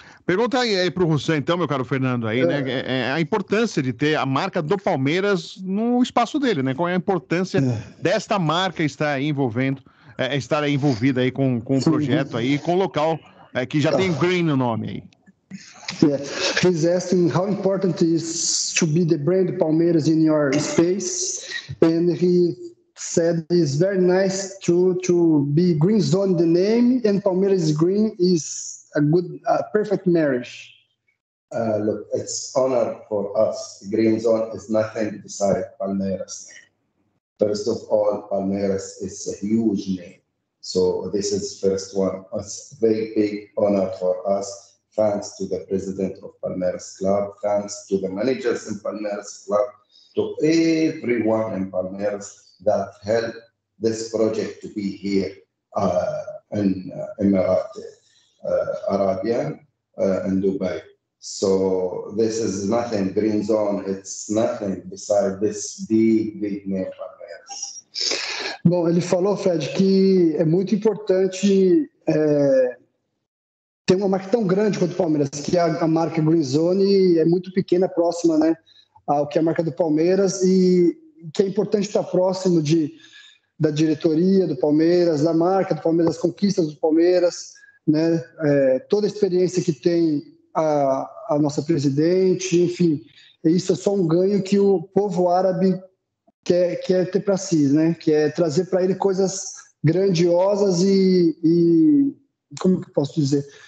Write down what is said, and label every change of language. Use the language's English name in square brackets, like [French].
[Portuguese] Pergunta aí para o Russell, então, meu caro Fernando, aí, né? A importância de ter a marca do Palmeiras no espaço dele, né? Qual é a importância desta marca estar envolvida aí com o projeto aí, com o local que já tem Green no nome aí. [English] Yeah. He's asking how important it is to be the brand Palmeiras in your space, and he said it's very nice to be Green Zone the name, and Palmeiras Green is a good, perfect marriage. Look, it's honor for us. Green Zone is nothing beside Palmeiras. First of all, Palmeiras is a huge name. So this is first one. It's a very big honor for us. Thanks to the president of Palmeiras Club. Thanks to the managers in Palmeiras Club. To everyone in Palmeiras that helped this project to be here in Emirates Arabia and Dubai. So this is nothing, Green Zone, it's nothing beside this big name Palmeiras. [Portuguese] Bom, ele falou, Fred, que é muito importante ter uma marca tão grande quanto o Palmeiras, que a marca Green Zone é muito pequena, próxima, né, ao que é a marca do Palmeiras, e que é importante estar próximo da diretoria do Palmeiras, da marca do Palmeiras, das conquistas do Palmeiras, né, toda a experiência que tem a nossa presidente, enfim, isso é só um ganho que o povo árabe quer ter para si, né, quer trazer para ele coisas grandiosas e como que eu posso dizer,